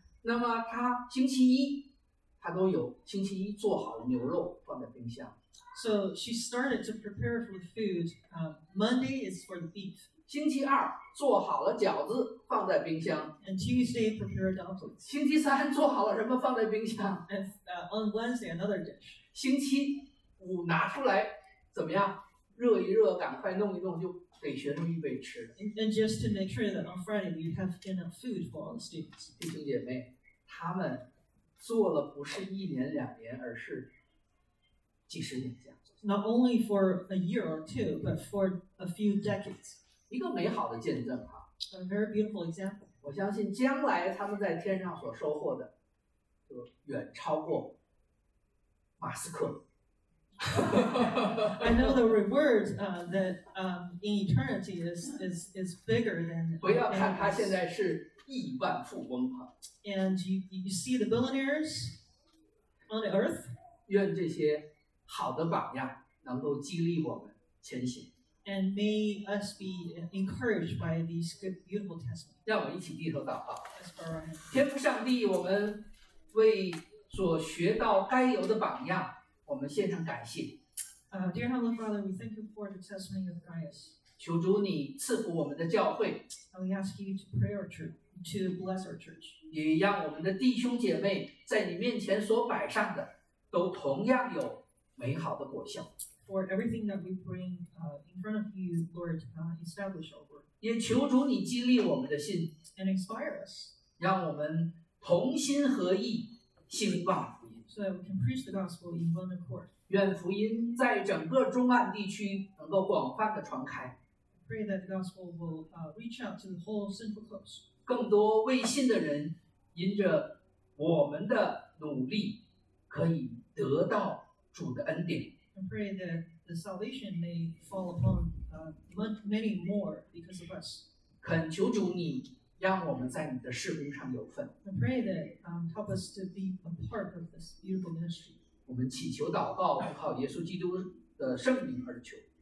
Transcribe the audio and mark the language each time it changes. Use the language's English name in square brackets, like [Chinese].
[Chinese] 那么他星期一，他都有星期一做好的牛肉放在冰箱。 [English] So she started to prepare for the food. Monday is for the beef. [Chinese] 星期二做好了饺子放在冰箱。 [English] And Tuesday prepared dumplings. [Chinese] 星期三做好了什么放在冰箱。 [English] And on Wednesday another dish. [Chinese] 星期五拿出来怎么样？热一热，赶快弄一弄就。给学生预备吃 [English] 的。And just to make sure that on Friday we have enough food for all the students. [Chinese] 弟兄姐妹，他们做了不是一年两年，而是几十年这样做。 [English] Not only for a year or two, but for a few decades. [Chinese] 一个美好的见证啊。 [English] A very beautiful example. [Chinese] 我相信将来他们在天上所收获的，就远超过马斯克。 [English] I know the reward that in eternity is bigger than. [Chinese] 不要看他现在是亿万富翁哈。 [English] And you see the billionaires on the earth. [Chinese] 愿这些好的榜样能够激励我们前行。 [English] And may us be encouraged by these good, beautiful testimonies. [Chinese] 让我们一起低头祷告。 [English] Let's pray. [Chinese] 天父上帝，我们为所学到该有的榜样。我们献上感谢。 [English] Dear Heavenly Father, we thank you for the testimony of Gaius. [Chinese] 求主你赐福我们的教会。 [English] And we ask you to pray our church, to bless our church. [Chinese] 也让我们的弟兄姐妹在你面前所摆上的，都同样有美好的果效。 [English] For everything that we bring in front of you, Lord, establish our work. [Chinese] 也求主你激励我们的心。 [English] And inspire us. [Chinese] 让我们同心合意，兴旺。 [English] So that we can preach the gospel in one accord. [Chinese] 愿福音在整个中岸地区能够广泛的传开。 [English] Pray that the gospel will reach out to the whole central coast. [Chinese] 更多未信的人因着我们的努力可以得到主的恩典。 [English] And pray that the salvation may fall upon many more because of us. [Chinese] 恳求主你让我们在你的事工上有份。 [English] I pray that help us to be a part of this beautiful ministry. [Chinese] 我们祈求祷告，奉靠耶稣基督的圣名而求。